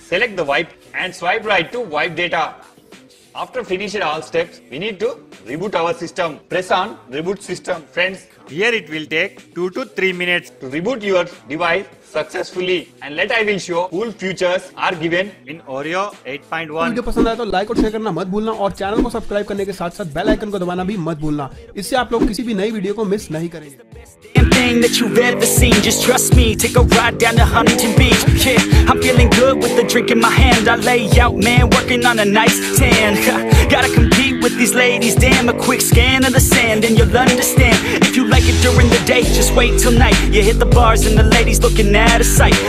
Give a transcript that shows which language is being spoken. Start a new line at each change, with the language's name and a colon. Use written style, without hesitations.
English: Select the wipe and swipe right to wipe data. After finishing all steps, we need to reboot our system. Press on reboot system. Friends, here it will take 2 to 3 minutes to reboot your device successfully. And let I will show cool features are given in Oreo 8.1.
Hindi: Video पसंद आया तो like और share करना मत भूलना और channel को subscribe करने के साथ साथ बेल आइकन को दबाना भी मत भूलना. इससे आप लोग किसी भी नई वीडियो को मिस नहीं करेंगे.
English: Thing that you've ever seen, just trust me, take a ride down to Huntington Beach. Yeah, I'm feeling good with the drink in my hand. I lay out, man, working on a nice tan. Gotta compete with these ladies, damn. A quick scan of the sand and you'll understand. If you like it during the day, just wait till night. You hit the bars and the ladies looking out of sight.